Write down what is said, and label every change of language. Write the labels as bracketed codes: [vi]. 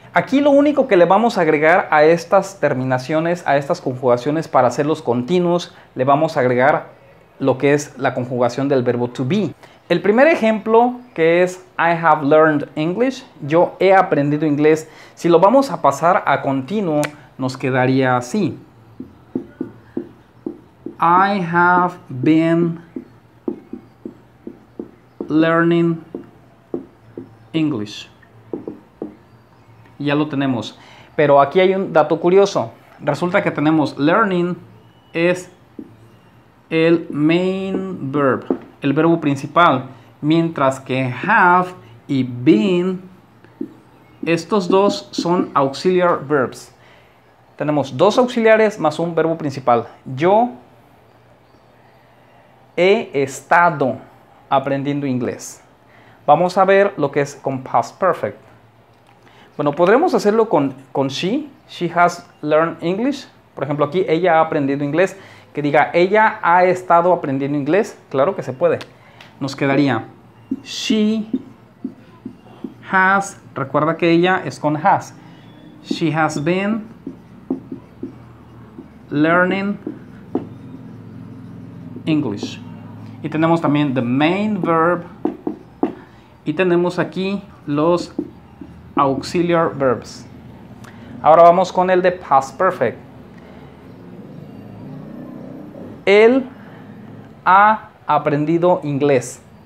[es] Aquí lo único que le vamos a agregar a estas terminaciones, a estas conjugaciones para hacerlos continuos, le vamos a agregar lo que es la conjugación del verbo to be. El primer ejemplo que es [en] I have learned English, [es] yo he aprendido inglés, si lo vamos a pasar a continuo, nos quedaría así. [en] I have been learning English. [es] Ya lo tenemos. Pero aquí hay un dato curioso. Resulta que tenemos learning es el main verb, el verbo principal. Mientras que have y been, estos dos son auxiliar verbs. Tenemos dos auxiliares más un verbo principal. Yo he estado aprendiendo inglés. Vamos a ver lo que es con past perfect. Bueno, podremos hacerlo con she. [en] She has learned English. [es] Por ejemplo, aquí ella ha aprendido inglés. Que diga, ella ha estado aprendiendo inglés. Claro que se puede. Nos quedaría, [en] she has, [es] recuerda que ella es con has. [en] She has been learning English. [es] Y tenemos también the main verb. Y tenemos aquí los auxiliar verbs. Ahora vamos con el de past perfect. Él ha aprendido inglés.